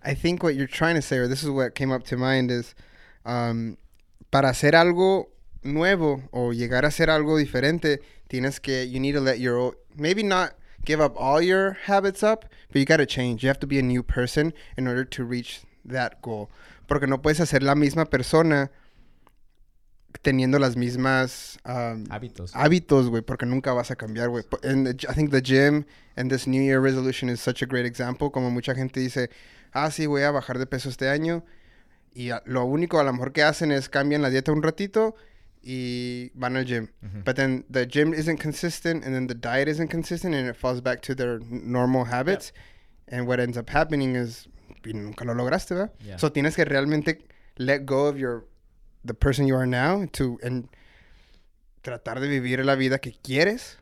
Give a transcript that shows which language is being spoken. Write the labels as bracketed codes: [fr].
[en] I think what you're trying to say, or this is what came up to mind, is [es] para hacer algo nuevo o llegar a hacer algo diferente, [en] you need to let your old, maybe not give up all your habits up, but you got to change. You have to be a new person in order to reach that goal. [es] Porque no puedes hacer la misma persona teniendo las mismas hábitos, güey, porque nunca vas a cambiar, güey. [en] And I think the gym and this New Year resolution is such a great example. [es] Como mucha gente dice, ah, sí, voy a bajar de peso este año. Y lo único a lo mejor que hacen es cambian la dieta un ratito y van al gym. Mm-hmm. [en] But then the gym isn't consistent, and then the diet isn't consistent, and it falls back to their normal habits. Yep. And what ends up happening is, [es] y nunca lo lograste, ¿verdad? [en] Yeah. So [es] tienes que realmente [en] let go of the person you are now and [es] tratar de vivir la vida que quieres.